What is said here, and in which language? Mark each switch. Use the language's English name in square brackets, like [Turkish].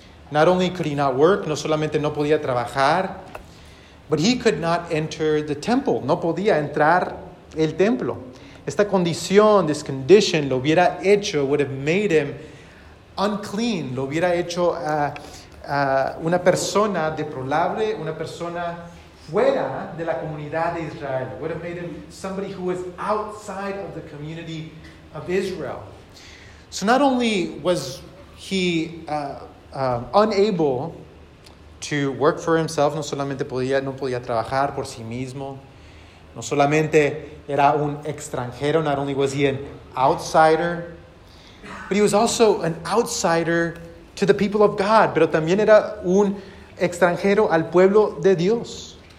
[English] Not only could he not work, no solamente no podía trabajar, but he could not enter the temple. [Spanish] No podía entrar el templo. Esta condición, this condition, lo hubiera hecho, would have made him unclean. Lo hubiera hecho una persona deplorable, una persona fuera de la comunidad de Israel. [English] Would have made him somebody who was outside of the community of Israel. So not only was he unable to work for himself, no solamente no podía trabajar por sí mismo, no solamente era un extranjero, not only was he an outsider, but he was also an outsider to the people of God, pero también era un extranjero al pueblo de Dios.